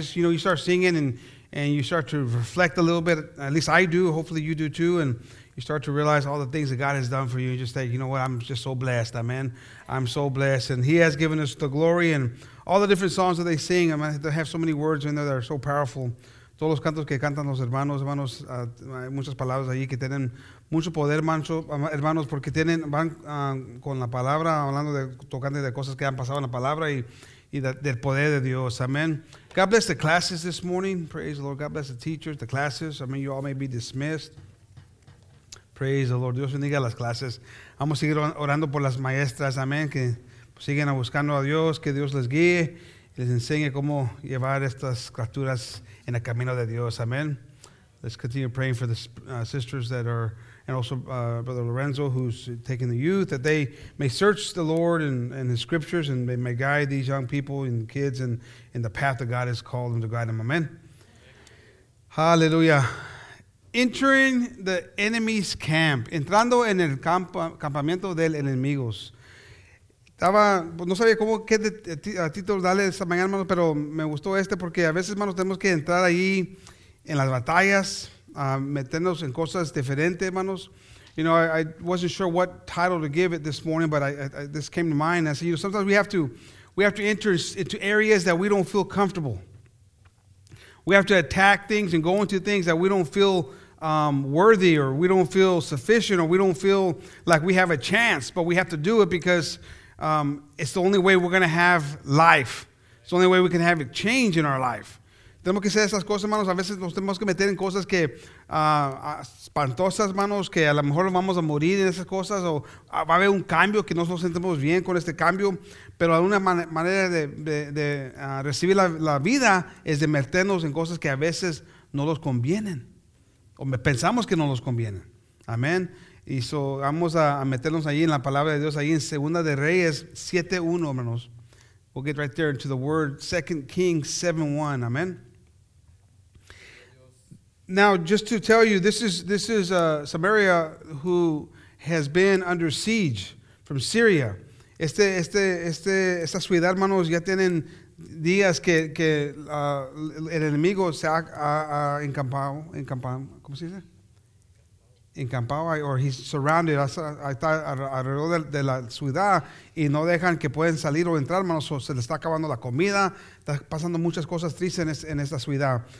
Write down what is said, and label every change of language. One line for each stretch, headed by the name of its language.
English: Just, you know, you start singing and you start to reflect a little bit. At least I do. Hopefully you do too. And you start to realize all the things that God has done for you. You just say, you know what, I'm just so blessed, amen. I'm so blessed. And he has given us the glory and all the different songs that they sing. I mean, they have so many words in there that are so powerful.
Spanish: Todos los cantos que cantan los hermanos, hay muchas palabras allí que tienen mucho poder, hermanos, porque tienen van con la palabra, hablando de, tocando de cosas que han pasado en la palabra y del poder de Dios, amen.
English: God bless the classes this morning. Praise the Lord. God bless the teachers, the classes. I mean, you all may be dismissed. Praise the Lord.
Spanish: Dios bendiga las clases. Vamos a seguir orando por las maestras. Amén. Que siguen buscando a Dios. Que Dios les guíe. Y les enseñe cómo llevar estas criaturas en el camino de Dios. Amén.
English: Let's continue praying for the sisters that are, and also Brother Lorenzo, who's taking the youth, that they may search the Lord and his scriptures, and they may guide these young people and kids in the path that God has called them to guide them. Amén. Hallelujah. Entering the enemy's camp.
Spanish: Entrando en el campamento del enemigos. Estaba, no sabía cómo, qué título darle esta mañana, hermano, pero me gustó este porque a veces, hermanos, tenemos que entrar ahí en las batallas, meternos en cosas diferentes, hermanos.
English: You know, I wasn't sure what title to give it this morning, but I this came to mind. I said, you know, sometimes we have to enter into areas that we don't feel comfortable. We have to attack things and go into things that we don't feel worthy, or we don't feel sufficient, or we don't feel like we have a chance, but we have to do it because it's the only way we're going to have life. It's the only way we can have a change in our life.
Spanish: Tenemos que hacer esas cosas, hermanos. A veces nos tenemos que meter en cosas que espantosas, hermanos, que a lo mejor vamos a morir en esas cosas, o va a haber un cambio que no nos sentimos bien con este cambio, pero una manera de recibir la vida es de meternos en cosas que a veces no nos convienen, o pensamos que no nos convienen. Amén. Y so, vamos a meternos ahí en la palabra de Dios, ahí en Segunda de Reyes 7:1, hermanos.
English: We'll get right there into the word, 2 Kings 7:1. Amen. Now, just to tell you, this is Samaria, who has been under siege from Syria.
Spanish: Esta ciudad, hermanos, ya tienen días que el enemigo se ha encampado. ¿Cómo se dice? Encampado,
English: or he's surrounded,
Spanish: está alrededor de la ciudad y no dejan que pueden salir o entrar, hermanos, o se le está acabando la comida, está pasando muchas cosas tristes en esta ciudad.